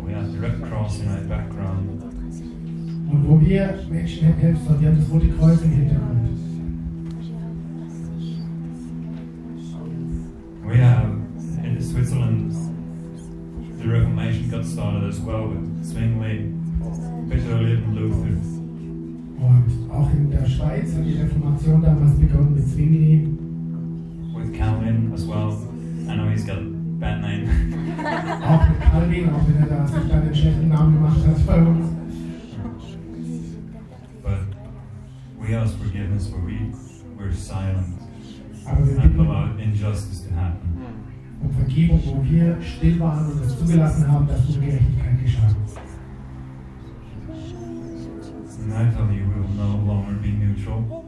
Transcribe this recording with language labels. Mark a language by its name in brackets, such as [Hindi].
[English] We have the Red Cross in our background. [German] Und wo wir Menschen helfen, wir haben das Rote Kreuz im Hintergrund. [English] We have in Switzerland the Reformation got started as well with Zwingli, Peter Lieb and Luther. [German] Und auch in der Schweiz hat die Reformation damals begonnen mit Zwingli. [English] Calvin as well. I know he's got a bad name. [German] Auch mit Calvin, auch wenn da sich dann einen schlechten Namen gemacht hat bei uns. [English] But we ask forgiveness for we're silent. [German] Aber wir bitten [English] about injustice to happen. [German] Um Vergebung, wo wir still waren und es zugelassen haben, dass Ungerechtigkeit geschah. [English] And I tell you, we will no longer be neutral.